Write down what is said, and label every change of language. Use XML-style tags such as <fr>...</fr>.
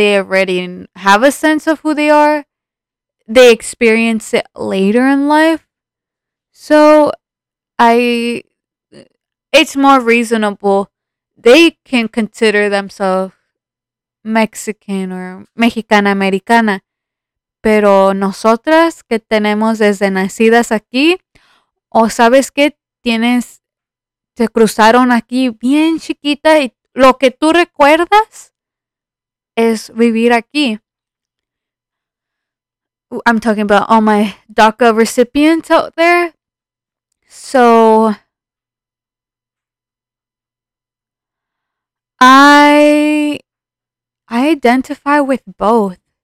<en>They already have a sense of who they are. They experience it later in life. So it's more reasonable. They can consider themselves Mexican or Mexicana Americana.</en> <es>Pero nosotras que tenemos desde nacidas aquí, o sabes que tienes, te cruzaron aquí bien chiquita y lo que tú recuerdas es vivir aquí.</es> <en>I'm talking about all my DACA recipients out there. So, I identify with both.</en>